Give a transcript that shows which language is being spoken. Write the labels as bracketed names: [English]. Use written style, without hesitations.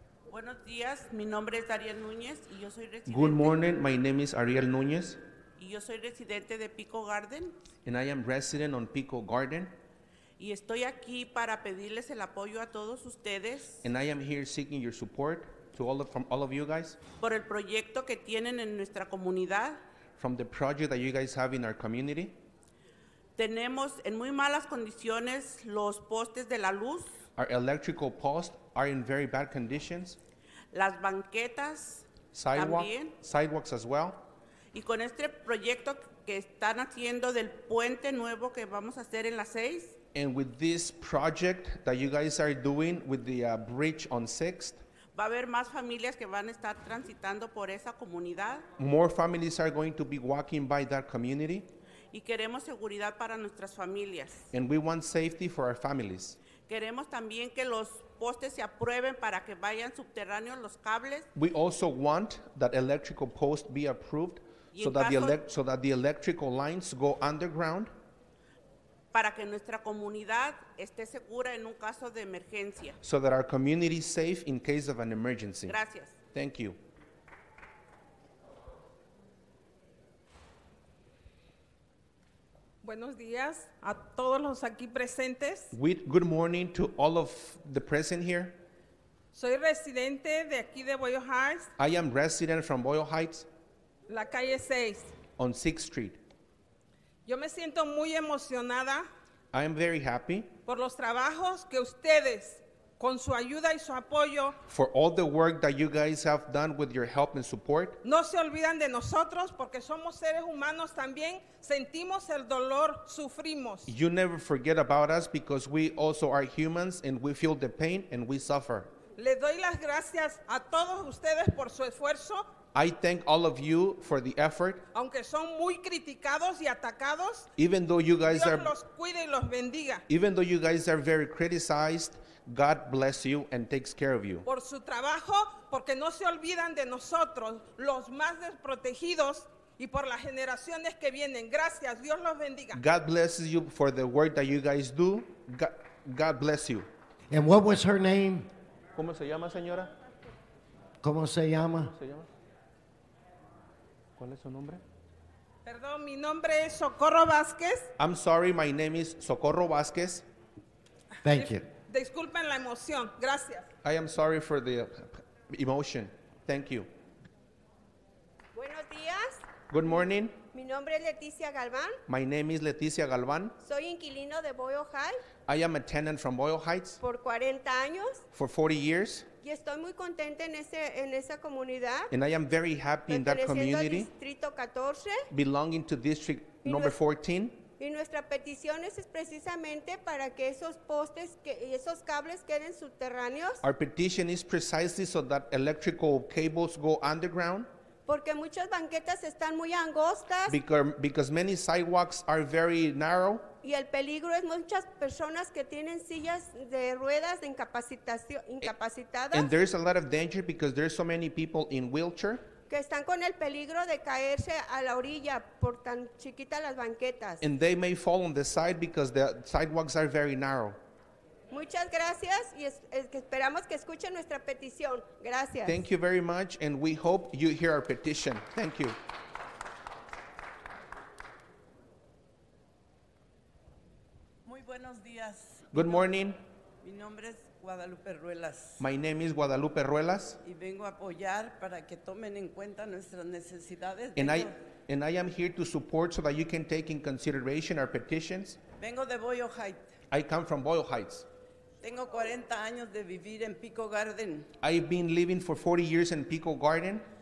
[Spanish] Buenos días, mi nombre es Ariel Núñez y yo soy residente. [English] Good morning, my name is Ariel Núñez. [Spanish] Y yo soy residente de Pico Garden. [English] And I am resident on Pico Garden. [Spanish] Y estoy aquí para pedirles el apoyo a todos ustedes. [English] And I am here seeking your support to all of, from all of you guys. [Spanish] Por el proyecto que tienen en nuestra comunidad. [English] From the project that you guys have in our community. [Spanish] Tenemos en muy malas condiciones los postes de la luz. [English] Our electrical posts are in very bad conditions. [Spanish] Las banquetas sidewalk, también. [English] Sidewalks as well. [Spanish] Y con este proyecto que están haciendo del puente nuevo que vamos a hacer en la 6. [English] And with this project that you guys are doing with the bridge on 6th. [Spanish] Va a haber más familias que van a estar transitando por esa comunidad. [English] More families are going to be walking by that community. [Spanish] Y queremos seguridad para nuestras familias. [English] And we want safety for our families. [Spanish] Queremos también que los postes se aprueben para que vayan subterráneos los cables. [English] We also want that electrical post be approved so that, so that the electrical lines go underground. [Spanish] Para que nuestra comunidad esté segura en un caso de emergencia. [English] So that our community is safe in case of an emergency. [Spanish] Gracias. [English] Thank you. [Spanish] Buenos días a todos los aquí presentes. [English] Good morning to all of the present here. [Spanish] Soy residente de aquí de Boyle Heights. [English] I am resident from Boyle Heights. [Spanish] La calle 6. [English] On 6th Street. [Spanish] Yo me siento muy emocionada. [English] I am very happy. [Spanish] Por los trabajos que ustedes, con su ayuda y su apoyo. [English] For all the work that you guys have done with your help and support. [Spanish] No se olvidan de nosotros porque somos seres humanos también. Sentimos el dolor, sufrimos. [English] You never forget about us because we also are humans and we feel the pain and we suffer. [Spanish] Le doy las gracias a todos ustedes por su esfuerzo. [English] I thank all of you for the effort. [Spanish] Aunque son muy criticados y atacados. [English] Even though you guys [Spanish] Dios [English] are, [Spanish] los cuide y los bendiga. [English] Even though you guys are very criticized. God bless you and takes care of you. [Spanish] Por su trabajo, porque no se olvidan de nosotros, los más desprotegidos, y por las generaciones que vienen. Gracias, Dios los bendiga. [English] God blesses you for the work that you guys do. God bless you. And what was her name? [Spanish] ¿Cómo se llama, señora? ¿Cómo se llama? ¿Cuál es su nombre? Perdón, mi nombre es Socorro Vázquez. [English] I'm sorry, my name is Socorro Vázquez. Thank you. [Spanish] Disculpen la emoción. Gracias. [English] I am sorry for the emotion. Thank you. [Spanish] Buenos días. [English] Good morning. [Spanish] Mi nombre es Leticia Galván. [English] My name is Leticia Galván. [Spanish] Soy inquilino de Boyle Heights. [English] I am a tenant from Boyle Heights. [Spanish] Por 40 años. [English] For 40 years. [Spanish] Y estoy muy contenta en ese en esa comunidad. [English] And I am very happy in that community. [Spanish] Distrito 14. [English] Belonging to district number 14. [Spanish] Y nuestra petición es precisamente para que esos postes que esos cables queden subterráneos. [English] Our petition is precisely so that electrical cables go underground. [Spanish] Porque muchas banquetas están muy angostas. [English] Because many sidewalks are very narrow. [Spanish] Y el peligro es muchas personas que tienen sillas de ruedas de incapacitadas. [English] And there is a lot of danger because there are so many people in wheelchair. [Spanish] Que están con el peligro de caerse a la orilla por tan chiquitas las banquetas. [English] And they may fall on the side because the sidewalks are very narrow. [Spanish] Muchas gracias y esperamos que escuchen nuestra petición. Gracias. [English] Thank you very much and we hope you hear our petition. Thank you. [Spanish] Muy buenos días. [English] Good morning. [Spanish] Mi nombre es Guadalupe Ruelas. [English] My name is Guadalupe Ruelas. [Spanish] Y vengo a apoyar para que tomen en cuenta nuestras necesidades. [English] And I am here to support so that you can take in consideration our petitions. [Spanish] Vengo de Boyle Heights. [English] I come from Boyle Heights. [Spanish] Tengo 40 años de vivir en Pico Garden. [English] I've been living for 40 years in Pico Garden.